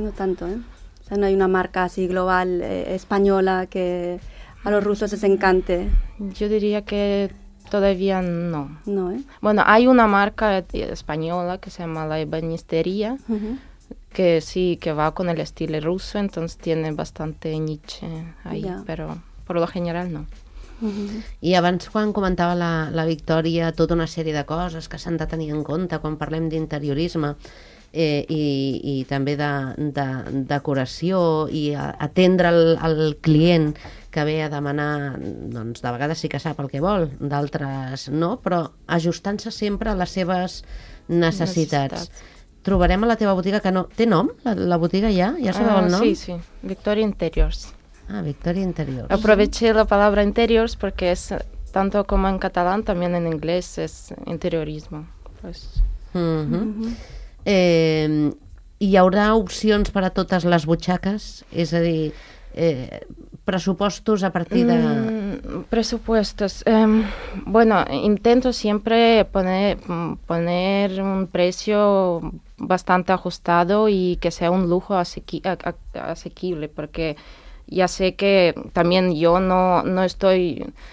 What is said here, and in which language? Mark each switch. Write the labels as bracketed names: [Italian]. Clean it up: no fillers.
[Spanish] No tanto, ¿eh? O sea, no hay una marca así global, española, que a los rusos les encante. Yo diría que... Todavía no. No, Bueno, hay una marca española que se llama La Ebanistería, que sí, que va con el estilo ruso, entonces tiene bastante niche ahí, pero por lo general no. [Catalan] I abans, quan comentava la Victòria, tota una sèrie de coses que s'han de tenir en compte quan parlem d'interiorisme i també de decoració i atendre el client que ve a demanar, doncs de vegades sí que sap el que vol, d'altres no, però ajustant-se sempre a les seves necessitats. Trobarem a la teva botiga, que no... Té nom, la botiga ja? Ja sabeu el nom? Sí, Victòria Interiors. Ah, Victòria Interiors. [Spanish] Aproveché la palabra interiors porque es, tanto como en catalán, también en inglés es interiorismo. Pues. [Catalan] Hi haurà opcions per a totes les butxaques? És a dir... [Spanish] presupuestos a partir de... Presupuestos. Intento siempre poner un precio bastante ajustado y que sea un lujo asequible, porque ya sé que también yo no estoy